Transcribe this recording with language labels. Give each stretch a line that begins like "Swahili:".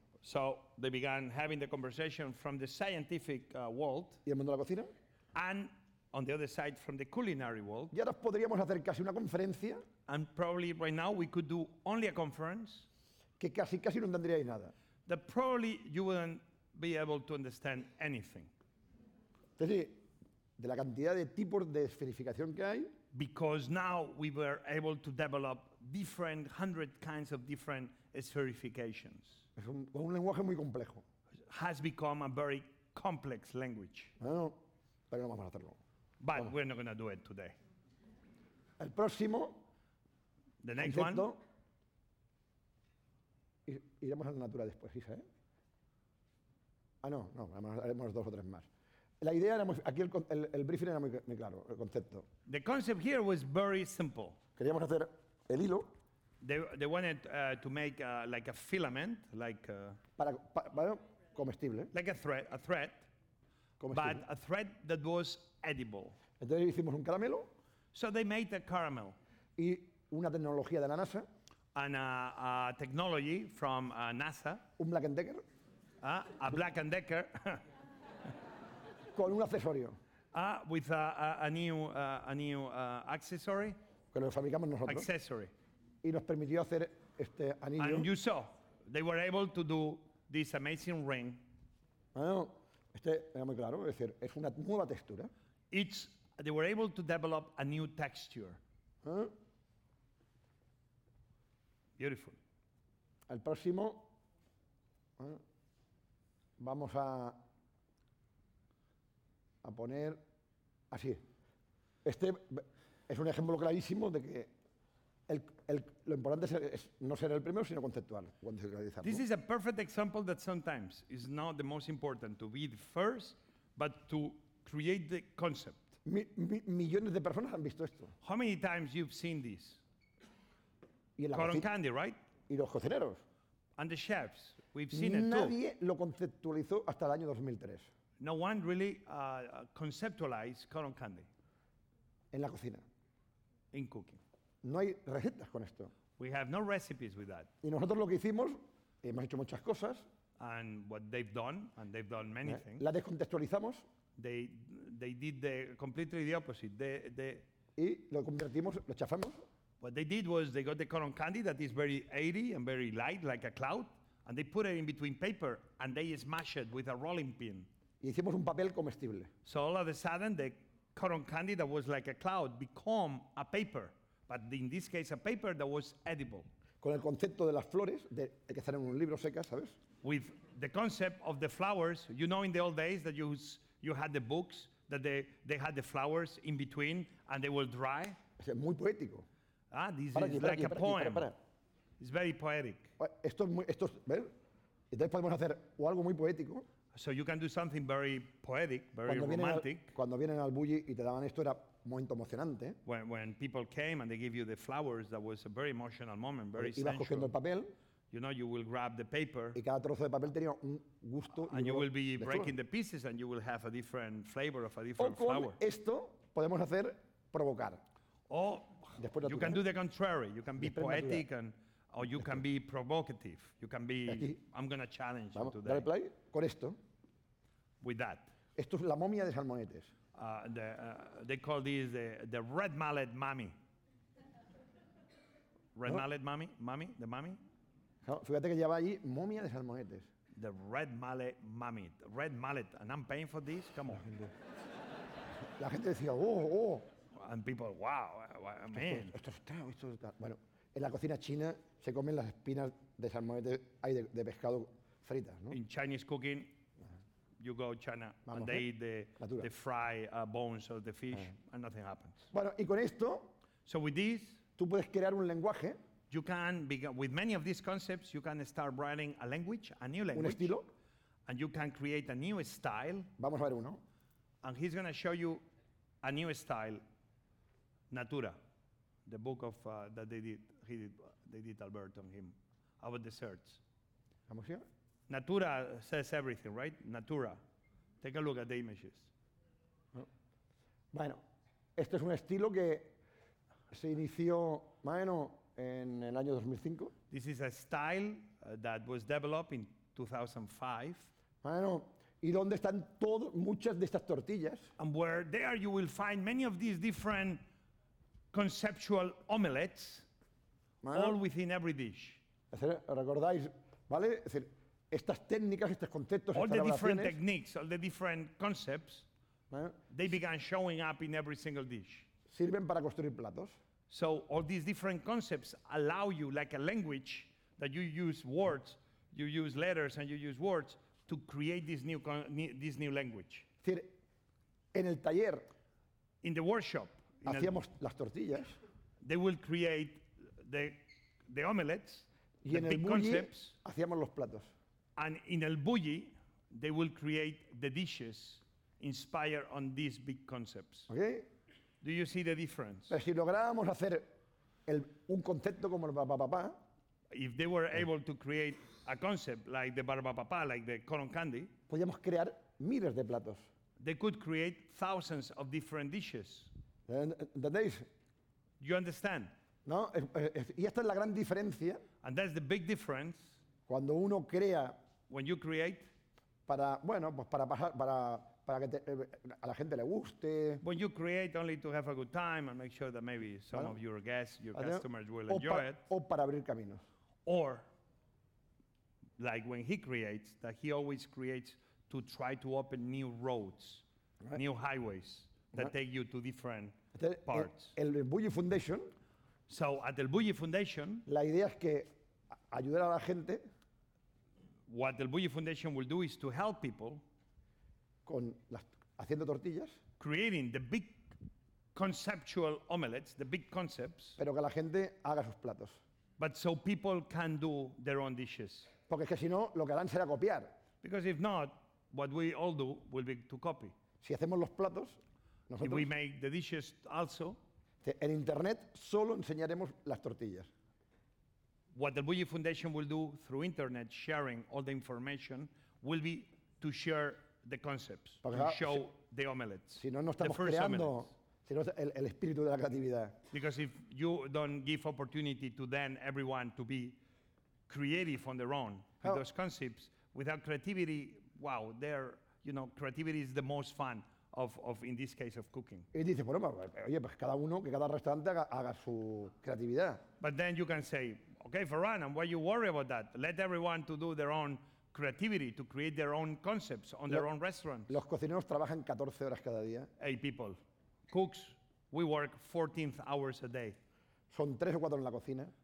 English: So they began having the conversation from the scientific world.
Spanish: Y el mundo de la cocina.
English: And on the other side from the culinary world.
Spanish: Y ahora podríamos hacer casi una conferencia.
English: And probably right now we could do only a conference.
Spanish: Que casi, casi no entenderíais nada.
English: That probably you wouldn't be able to understand anything.
Spanish: Es decir, de la cantidad de tipos de esferificación que hay.
English: Because now we were able to develop different, 100 kinds of different spherifications.
Spanish: Es un lenguaje muy complejo.
English: Has become a very complex language.
Spanish: No, pero no vamos a hacerlo.
English: But
Spanish: vamos.
English: We're not going to do it today.
Spanish: El próximo,
English: the next one,
Spanish: iremos a la natura después, ¿sí? Ah, no, no, haremos dos o tres más. La idea era muy, aquí el briefing era muy claro, el concepto.
English: The concept here was very simple.
Spanish: Queríamos hacer el hilo.
English: They wanted to make like a filament, like a
Spanish: para comestible.
English: Like a thread.
Spanish: Comestible.
English: But a thread that was edible.
Spanish: Entonces hicimos un caramelo.
English: So they made a caramel.
Spanish: Y una tecnología de la NASA.
English: And a technology from NASA.
Spanish: Un Black and Decker.
English: A Black and Decker.
Spanish: Con un accesorio.
English: With a new accessory.
Spanish: Que lo fabricamos nosotros.
English: Accessory.
Spanish: Y nos permitió hacer este anillo.
English: And you saw, they were able to do this amazing ring.
Spanish: Bueno, este era muy claro, es decir, es una nueva textura.
English: It's, they were able to develop a new texture. Beautiful.
Spanish: El próximo, vamos a poner así. Este es un ejemplo clarísimo de que lo importante es no ser el primero, sino conceptual.
English: This is a perfect example that sometimes is not the most important to be the first, but to create the concept.
Spanish: Millones de personas han visto esto.
English: How many times you've seen this? Cotton candy, right?
Spanish: Y los cocineros.
English: And the chefs, we've seen it too.
Spanish: Nadie lo conceptualizó hasta el año 2003.
English: No one really conceptualized cotton candy.
Spanish: En la cocina.
English: In cooking.
Spanish: No hay recetas con esto.
English: We have no recipes with that.
Spanish: Y nosotros lo que hicimos, hemos hecho muchas cosas.
English: And what they've done many things.
Spanish: La descontextualizamos.
English: They did the completely the opposite.
Spanish: Y lo convertimos, lo chafamos.
English: What they did was they got the cotton candy that is very airy and very light, like a cloud, and they put it in between paper and they smash it with a rolling pin.
Spanish: Y hicimos un papel comestible.
English: So all of a sudden, the cotton candy that was like a cloud became a paper, but in this case, a paper that was edible.
Spanish: Con el concepto de las flores, de que salen en un libro secas, ¿sabes?
English: With the concept of the flowers, you know, in the old days that you had the books that they had the flowers in between and they will dry.
Spanish: Es muy poético.
English: Ah, this is like a poem. It's very poetic.
Spanish: Entonces podemos hacer o algo muy poético.
English: So you can do something very poetic, very romantic.
Spanish: Cuando vienen al bulli y te daban esto era momento emocionante.
English: When people came and they give you the flowers, that was a very emotional moment, very sensual.
Spanish: Ibas cogiendo el papel.
English: You know, you will grab the paper.
Spanish: Y cada trozo de papel tenía un gusto.
English: And you will be breaking the pieces, and you will have a different flavor of a different flower.
Spanish: O con esto podemos hacer provocar.
English: Oh, you can do the contrary. You can be poetic and, or you can be provocative. You can be, I'm going to challenge you today.
Spanish: Dale play con esto.
English: With that.
Spanish: Esto es la momia de salmonetes.
English: They call this the red mallet mummy. Red mallet mummy? Mummy? The mummy?
Spanish: Fíjate que lleva allí momia de salmonetes.
English: The red mallet mummy. The red mallet. And I'm paying for this? Come on.
Spanish: La gente decía, oh.
English: And people, wow, I mean.
Spanish: Bueno, en la cocina china se comen las espinas de salmonetes de pescado fritas, ¿no?
English: In Chinese cooking, you go to China and they eat the fried bones of the fish and nothing happens.
Spanish: Bueno, y con esto,
English: so with this,
Spanish: tú puedes crear un lenguaje.
English: You can, with many of these concepts, you can start writing a language, a new language.
Spanish: Un estilo.
English: And you can create a new style.
Spanish: Vamos a ver uno.
English: And he's going to show you a new style. Natura, the book of that they did Albert on him, our desserts.
Spanish: Vamos here.
English: Natura says everything, right? Natura, take a look at the images.
Spanish: Bueno, este es un estilo que se inició, bueno, en el año 2005.
English: This is a style that was developed in 2005.
Spanish: Bueno, ¿Y dónde están todo, muchas de estas tortillas?
English: And where there you will find many of these different conceptual omelets, bueno, all within every dish.
Spanish: ¿Recordáis, vale? Es decir, estas técnicas, estos conceptos,
English: all the different techniques, all the different concepts, bueno, they began showing up in every single dish.
Spanish: Sirven para construir platos.
English: So all these different concepts allow you, like a language, that you use words, you use letters, and you use words to create this new language.
Spanish: Es decir, en el taller,
English: in the workshop,
Spanish: hacíamos las tortillas.
English: They will create the omelets,
Spanish: y
English: the
Spanish: en
English: big
Spanish: el
English: bulli, concepts.
Spanish: Hacíamos los platos.
English: And in el bulli, they will create the dishes inspired on these big concepts. Okay. Do you see the difference?
Spanish: Pero si lográbamos hacer un concepto como el papapá,
English: if they were able to create a concept like the barbapapá, like the corn candy,
Spanish: podíamos crear miles de platos.
English: They could create thousands of different dishes.
Spanish: ¿Entendéis?
English: You understand?
Spanish: No, y esta es la gran diferencia.
English: And that's the big difference.
Spanish: Cuando uno crea,
English: when you create,
Spanish: para, bueno, pues para pasar, para que a la gente le guste.
English: When you create only to have a good time and make sure that maybe some, ¿vale?, of your guests, your, ¿vale?, customers will
Spanish: o
English: enjoy it.
Spanish: O para abrir caminos.
English: Or, like when he creates, that he always creates to try to open new roads, right, new highways that, right, take you to different,
Spanish: entonces,
English: parts.
Spanish: El Bulli Foundation.
English: So at the Bulli Foundation,
Spanish: la idea es que ayudar a la gente.
English: What the Bulli Foundation will do is to help people
Spanish: con haciendo tortillas,
English: creating the big conceptual omelets, the big concepts.
Spanish: Pero que la gente haga sus platos.
English: But so people can do their own dishes.
Spanish: Porque es que si no, lo que harán será copiar.
English: Because if not, what we all do will be to copy.
Spanish: Si hacemos los platos, nosotros,
English: if we make the dishes also,
Spanish: en internet solo enseñaremos las tortillas.
English: What the Bulli Foundation will do through internet, sharing all the information, will be to share the concepts,
Spanish: porque
English: to show the omelets.
Spanish: Si no, no estamos
English: the first
Spanish: creando,
English: omelets.
Spanish: Sino el espíritu de la creatividad.
English: Because if you don't give opportunity to then everyone to be creative on their own, with those concepts, without creativity, wow, there, you know, creativity is the most fun of in this case of cooking.
Spanish: Y dice, bueno, oye, pues cada uno, que cada restaurante haga su creatividad.
English: But then you can say, okay, Ferran, and why you worry about that? Let everyone to do their own creativity, to create their own concepts on their own restaurants.
Spanish: Los cocineros trabajan 14 horas cada día.
English: Eight people. Cooks, we work 14 hours a day.
Spanish: Son tres o cuatro en la cocina.